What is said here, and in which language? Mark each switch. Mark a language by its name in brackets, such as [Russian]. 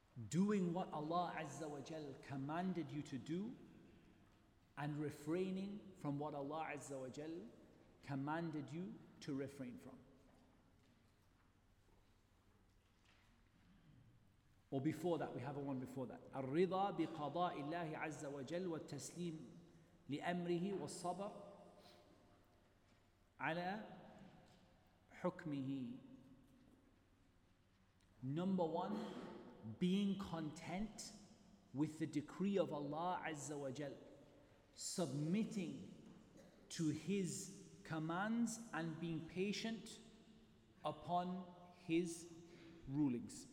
[English] Doing what Allah Azza wa Jal commanded you to do and refraining from what Allah Azza wa Jal commanded you to refrain from. Or before that, we have a one before that. [Arabic] الرضا بقضاء الله عز وجل والتسليم لأمره والصبر على حكمه. [English] Number one, being content with the decree of Allah Azza wa Jal, submitting to His commands and being patient upon His rulings.